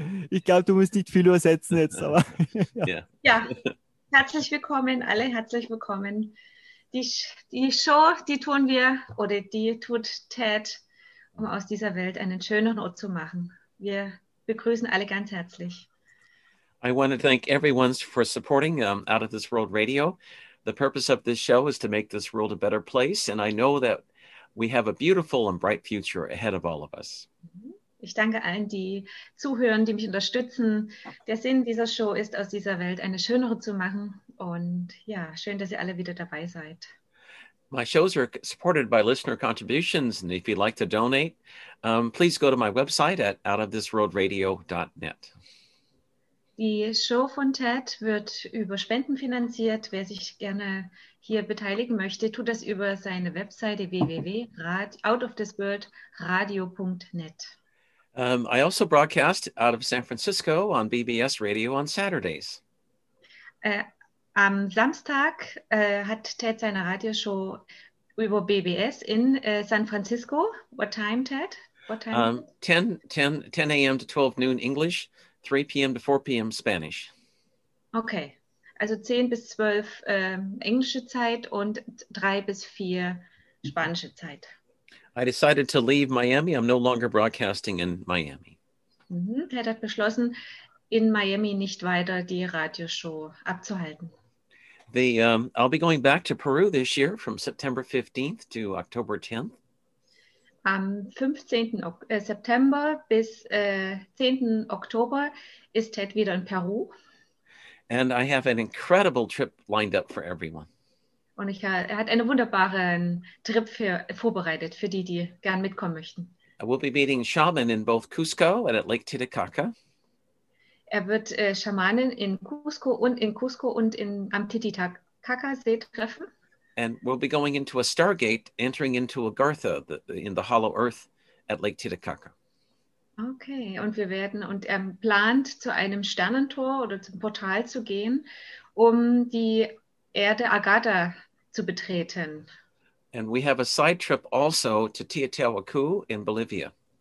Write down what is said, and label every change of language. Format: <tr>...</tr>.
<de>Ich glaube, du musst nicht viel übersetzen jetzt. Aber ja, herzlich willkommen, alle herzlich willkommen. Die Show, die tun wir, oder die tut Ted, um aus dieser Welt einen schöneren Ort zu machen. Wir begrüßen alle ganz herzlich.</de> <en>I want to thank everyone for supporting Out of This World Radio. The purpose of this show is to make this world a better place, and I know that we have a beautiful and bright future ahead of all of us.</en> <de>Ich danke allen, die zuhören, die mich unterstützen. Der Sinn dieser Show ist, aus dieser Welt eine schönere zu machen. Und ja, schön, dass ihr alle wieder dabei seid.</de> <en>My shows are supported by listener contributions. And if you'd like to donate, please go to my website at outofthisworldradio.net.</en> <de>Die Show von Ted wird über Spenden finanziert. Wer sich gerne hier beteiligen möchte, tut das über seine Webseite www.outofthisworldradio.net.</de> <en>I also broadcast out of San Francisco on BBS Radio on Saturdays.</en> <de>Am Samstag hat Ted seine Radioshow über BBS in San Francisco.</de> <en>What time, Ted? What time? 10 a.m. to 12 noon English, 3 p.m. to 4 p.m. Spanish. Okay.</en> <de>Also 10 bis 12 englische Zeit und 3 bis 4 spanische Zeit.</de> <en>I decided to leave Miami. I'm no longer broadcasting in Miami.</en> <de>Ted hat beschlossen, in Miami nicht weiter die Radioshow abzuhalten.</de> <en>I'll be going back to Peru this year from September 15th to October 10th.</en> <de>Am 15. September bis 10. Oktober ist Ted wieder in Peru.</de> <en>And I have an incredible trip lined up for everyone.</en> <de>Und er hat einen wunderbaren Trip vorbereitet für die, die gern mitkommen möchten.</de> <en>I will be meeting shaman in both Cusco and at Lake Titicaca.</en> <de>Er wird Schamanen in Cusco und am Titicaca See treffen.</de> <en>And we'll be going into a stargate, entering into Agartha in the hollow earth at Lake Titicaca.</en> <de>Okay, und er plant, zu einem Sternentor oder zum Portal zu gehen, um die Erde Agartha zu betreten.</de> <en>And we have a side trip also to Teotihuacan in Bolivia.</en>